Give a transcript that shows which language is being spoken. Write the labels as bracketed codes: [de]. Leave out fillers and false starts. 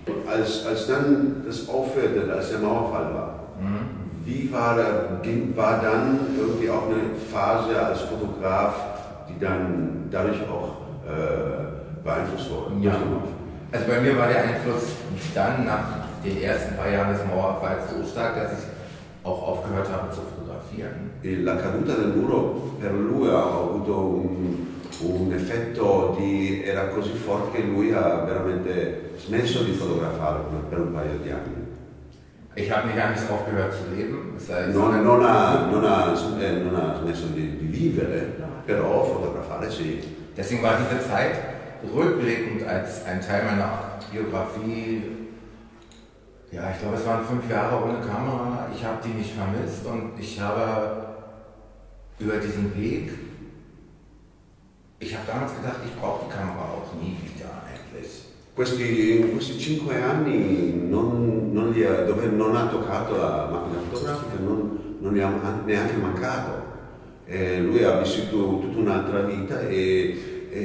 [de] Als dann das aufhörte, als der Mauerfall war, Wie war dann irgendwie auch eine Phase als Fotograf, die dann dadurch auch beeinflusst wurde? Ja. Also bei mir war der Einfluss dann nach den ersten paar Jahren des Mauerfalls so stark, dass ich auch aufgehört habe zu fotografieren. [it] E la caduta del muro per lui ha avuto un effetto di era così forte che lui ha veramente smesso di fotografare per un paio di anni. [de] Ich habe nicht ganz aufgehört zu leben. [it] Non ha smesso di vivere, però fotografare sì. [de] Deswegen war diese Zeit rückblickend als ein Teil meiner Biografie. Ja, ich glaube, es waren 5 Jahre ohne Kamera. Ich habe die nicht vermisst und ich habe über diesen Weg. Ich habe damals gedacht, ich brauche die Kamera auch nie wieder eigentlich. [it] In questi 5 anni dove non ha toccato la macchina fotografica, non gli ha neanche mancato. Lui ha vissuto tutta un'altra vita e